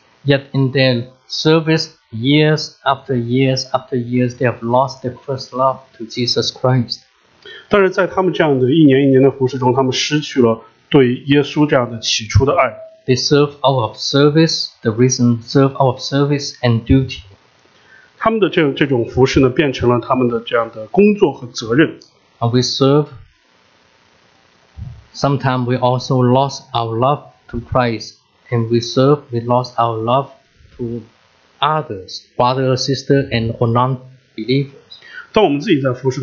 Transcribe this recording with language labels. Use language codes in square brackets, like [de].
[en] Yet in their service, years after years after years, they have lost their first love to Jesus Christ. [zh] 但是在他们这样的一年一年的服事中，他们失去了对耶稣这样的起初的爱。 [en] They serve out of service, the reason serve out of service and duty. [zh] 他们的这种服事呢，变成了他们的这样的工作和责任。 [en] And we serve, sometimes we also lost our love to Christ. And we serve, we lost our love to others, brother or sister, and or non-believers.